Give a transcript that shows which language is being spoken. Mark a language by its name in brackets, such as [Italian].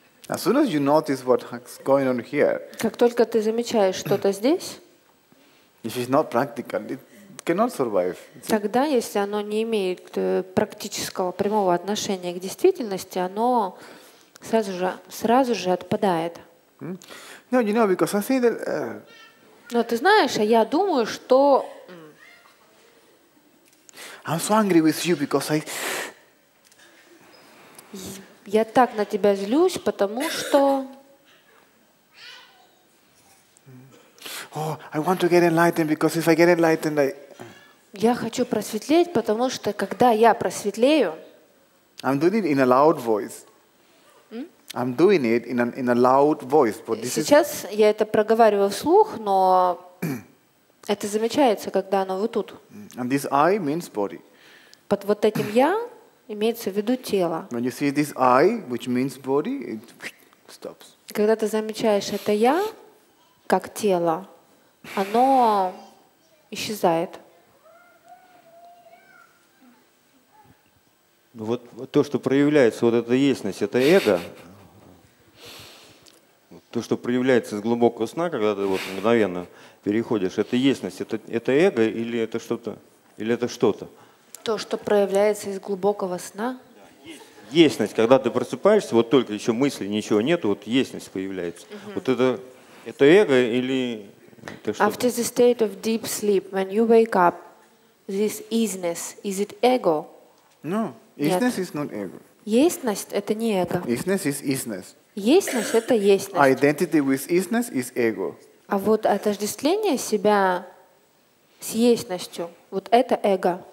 [English] as soon as you notice what's going on here, [Russian] как только ты замечаешь что-то здесь, [English] If it's not practical, it cannot survive. [Russian] Тогда, если оно не имеет практического прямого отношения к действительности, оно сразу же отпадает. [English] No, you know, because I think that. [Russian] Но ты знаешь, а я думаю, что. [English] I'm so angry with you because I. [Russian] Я так на тебя злюсь, потому что. [English] Oh, I want to get enlightened because if I get enlightened, I. [Russian] Я хочу просветлеть, потому что когда я просветлею. [English] I'm doing it in a loud voice. I'm doing it in a loud voice, but this [Russian] сейчас [English] is. [Russian] Я это проговариваю вслух, но это замечается, когда оно вот тут. [English] And this I means body. [Russian] Под вот этим я имеется в виду тело. [English] When you see this I, which means body, it stops. [Russian] Когда ты замечаешь это я, как тело, оно исчезает. Вот то, что проявляется, вот эта естьность, это эго. То, что проявляется из глубокого сна, когда ты вот мгновенно переходишь, это естьность, это эго или это что-то? Или это что-то? То, что проявляется из глубокого сна. Естьность, когда ты просыпаешься, вот только еще мысли, ничего нет, вот естьность появляется. Угу. Вот это эго или это что-то? [English] After the state of deep sleep, when you wake up, this isness, is it ego? No, isness is not ego. [Russian] Естьность – это не эго. [English] Isness is isness. [Russian] Естьность – это естьность. [English] Identity with isness is ego. [Russian] А вот отождествление себя с естьностью – вот это эго.